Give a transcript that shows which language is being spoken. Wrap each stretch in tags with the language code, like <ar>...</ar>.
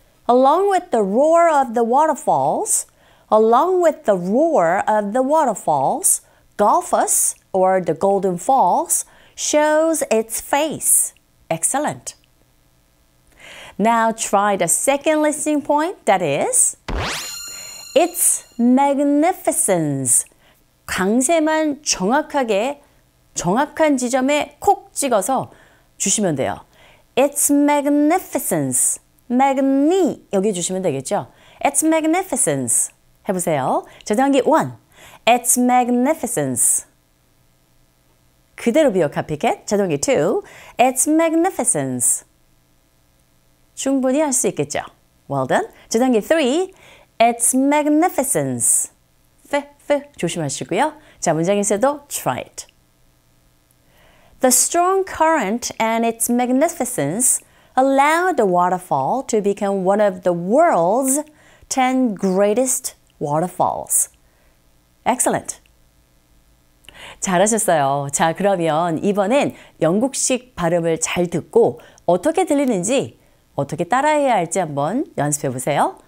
<en>Along with the roar of the waterfalls, along with the roar of the waterfalls, Golfus, or the Golden Falls, shows its face. Excellent. Now try the second listening point, that is, its magnificence.</en> <ko>강세만 정확하게, 정확한 지점에 콕 찍어서 주시면 돼요.</ko> <en>Its magnificence. Magni,</en> <ko>여기 주시면 되겠죠?</ko> <en>Its magnificence.</en> <ko>해보세요.</ko> <en>전형기 1. Its magnificence.</en> <ko>그대로</ko> <en>copycat. 자동기 2. Its magnificence.</en> <ko>충분히 할 수 있겠죠.</ko> <en>Well done.</en> <ko>자동기 3.</ko> <en>Its magnificence.</en> <ko>페페 조심하시고요. 자, 문장에서도</ko> <en>try it. The strong current and its magnificence allowed the waterfall to become one of the world's 10 greatest waterfalls. Excellent.</en> <ko>잘하셨어요. 자, 그러면 이번엔 영국식 발음을 잘 듣고 어떻게 들리는지 어떻게 따라해야 할지 한번 연습해 보세요.</ko>